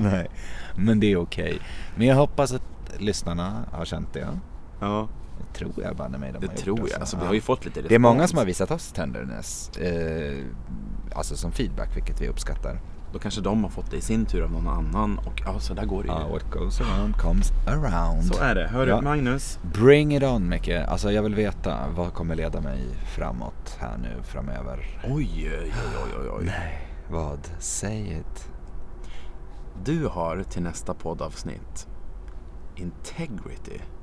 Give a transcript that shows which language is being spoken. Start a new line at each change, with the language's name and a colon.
Swedish: Nej, men det är okej. Men jag hoppas att lyssnarna har känt det. Ja. Det tror jag bara när mig de det tror jag, alltså, vi har ju fått lite respons. Det är många som har visat oss tenderness alltså som feedback, vilket vi uppskattar. Då kanske de har fått det i sin tur av någon annan. Och ja, så där går det.
English: What goes around comes around.
Swedish: Så är det, hör du, ja. Magnus?
English: Bring it on, Micke.
Swedish: Alltså, jag vill veta, vad kommer leda mig framåt här nu framöver? Oj. Nej, vad? Säg it. Du har till nästa poddavsnitt integrity.